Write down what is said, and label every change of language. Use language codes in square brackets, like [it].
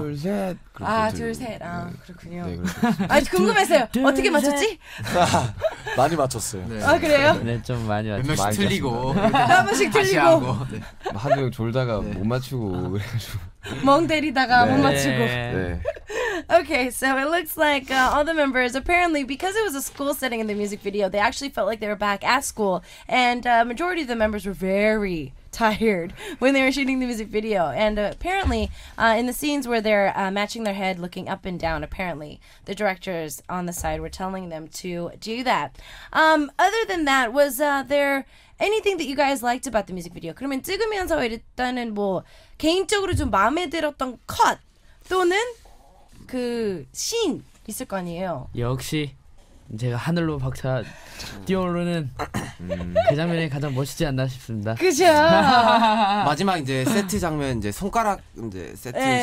[ko] 둘 셋. 아 둘 셋. 아 네. 그렇군요. 네, 아주 궁금했어요. 둘, 어떻게 맞췄지? 많이 맞췄어요. 네. 아 그래요? 네, 좀 많이 맞. 몇 명씩 틀리고 한 명씩 틀리고 네. 한 명 졸다가 네. 못 맞추고 그래가지고. 멍 때리다가 네. 못 맞추고. 네. 네. [en] Okay, so it looks like all the members, apparently, because it was a school setting in the music video, they actually felt like they were back at school. And a majority of the members were very tired when they were shooting the music video. And apparently, in the scenes where they're matching their head, looking up and down, apparently, the directors on the side were telling them to do that. Other than that, was there anything that you guys liked about the music video? [ko] 그러면 찍으면서 일단은 뭐 개인적으로 좀 마음에 들었던 컷 또는 그 씬 있을 거 아니에요. 역시 제가 하늘로 박차 뛰어오르는 그 장면이 가장 멋있지 않나 싶습니다. 그죠. 마지막 이제 세트 장면 이제 손가락 이제 세트 네.